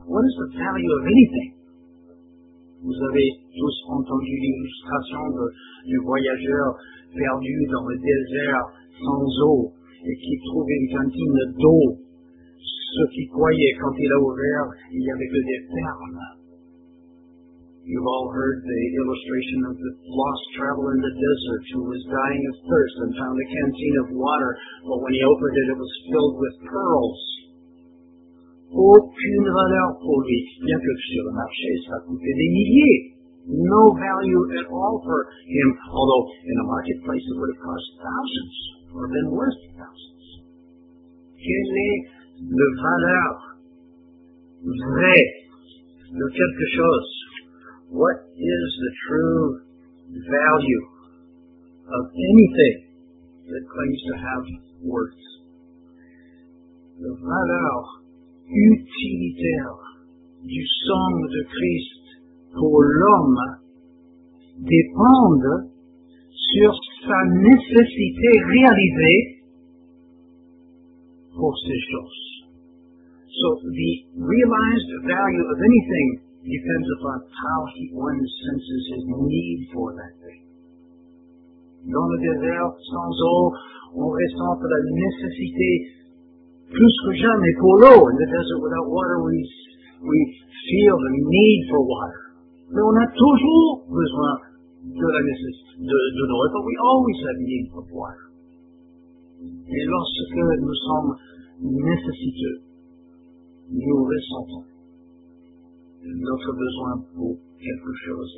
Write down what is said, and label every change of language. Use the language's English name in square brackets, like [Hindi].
[English] What is the value of anything? [French] Vous avez tous entendu l'illustration du voyageur perdu dans le désert sans eau et qui trouve une cantine d'eau. Ce qu'il croyait, quand il a ouvert, il y avait que des perles. [English] You've all heard the illustration of the lost traveler in the desert who was dying of thirst and found a canteen of water, but when he opened it, it was filled with pearls. [French] Aucune valeur pour lui, bien que sur le marché, ça coûtait des milliers. [English] No value at all for him, although in the marketplace it would have cost thousands, or been worth thousands. [French] Quelle est la valeur vraie de quelque chose? [English] What is the true value of anything that claims to have worth? [French] La valeur utilitaire du sang de Christ pour l'homme dépend sur sa nécessité réalisée pour ces choses. [English] So the realized value of anything depends upon how he one senses his need for that thing. [French] Dans le désert, sans eau, on ressent la nécessité plus que jamais pour l'eau. [English] In the desert without water, we feel the need for water. [French] Mais on a toujours besoin de la nécessité de l'eau. [English] But we always have need of water. [French] Et lorsque nous sommes nécessiteux, nous ressentons notre besoin pour quelque chose.